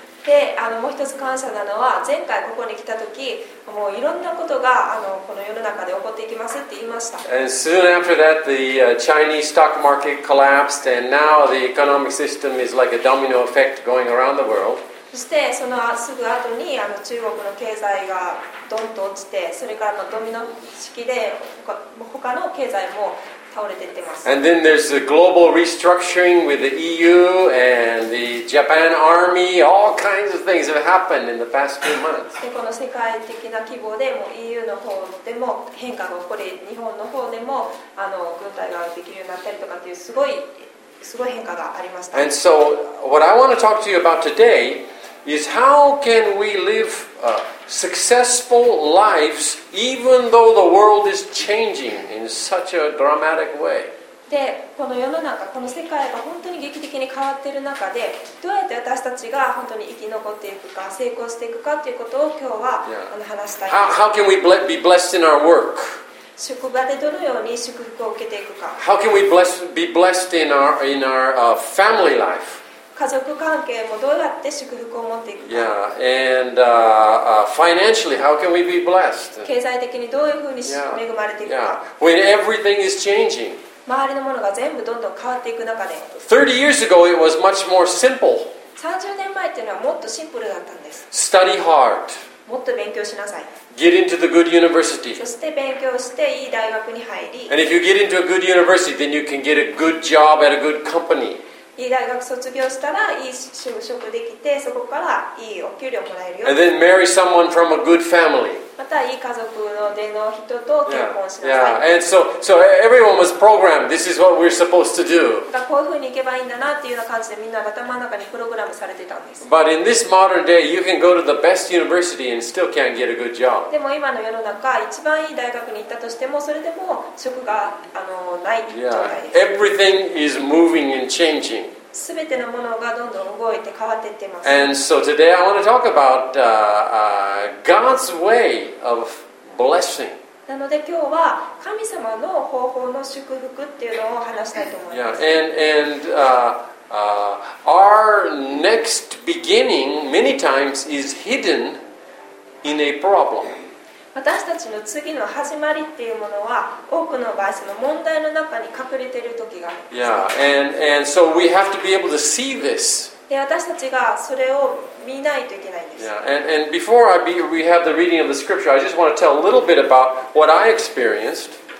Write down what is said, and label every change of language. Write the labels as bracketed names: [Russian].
[Japanese] で、もう一つ感謝なのは、前回ここに来た時、もういろんなことが、この世の中で起こっていきますって言いました。 [English] And soon after that, the Chinese stock market collapsed, and now the economic system is like a domino effect going around the world. [Japanese] そしてそのすぐ後に中国の経済がドンと落ちて、それからのドミノ式で他の経済も。 [English] And then there's the global restructuring with the EU and the Japan Army. All kinds of things have happened in the past 2 months. [Japanese] で、この世界的な規模でも EU の方でも変化が起こり、日本の方でも軍隊ができるようになったりとかっていうすごい変化がありました。 [English] And so what I want to talk to you about today is how can we live successful lives even though the world is changing in such a dramatic way. [Japanese] で、この世の中、この世界が本当に劇的に変わっている中で、どうやって私たちが本当に生き残っていくか、成功していくかということを今日は話したい。 [English] How can we be blessed in our work? [Japanese] 職場でどのように祝福を受けていくか。 [English] How can we be blessed in our family life? [Japanese] 家族関係もどうやって祝福を持っていくか。 [English] Yeah, and financially, how can we be blessed? [Japanese] 経済的にどういうふうに恵まれていくか。 [English] Yeah. When everything is changing. [Japanese] 周りのものが全部どんどん変わっていく中で。 [English] 30 years ago, it was much more simple. [Japanese] 30年前っていうのはもっとシンプルだったんです。 [English] Study hard. [Japanese] もっと勉強しなさい。 [English] Get into the good university. [Japanese] そして勉強していい大学に入り。 [English] And if you get into a good university, then you can get a good job at a good company. [Japanese] いい大学卒業したらいい就職できて、そこからいいお給料もらえるよ。 [English] And then marry someone from a good family. [Japanese] またいい家族の出の人と結婚しなさい。 [English] Yeah. Yeah. And so everyone was programmed. This is what we're supposed to do. [Japanese] だからこういうふうにいけばいいんだなっていうような感じでみんな頭の中にプログラムされてたんです。 [English] But in this modern day, you can go to the best university and still can't get a good job. [Japanese] でも今の世の中、一番いい大学に行ったとしても、それでも職がない状態です。 [English] Yeah. Everything is moving and changing. [Japanese] 全てのものがどんどん動いて変わっていっています。 [English] And so today I want to talk about God's way of blessing. [Japanese] なので今日は神様の方法の祝福っていうのを話したいと思います。 [English] Yeah. And our next beginning many times is hidden in a problem. [Japanese] 私たちの次の始まりっていうものは多くの場合その問題の中に隠れている時があります。 [English] Yeah, and so we have to be able to see this. [Japanese] で、私たちがそれを見ないといけないんです。 [English] Yeah, and before we have the reading of the scripture, I just want to tell a little bit about what I experienced.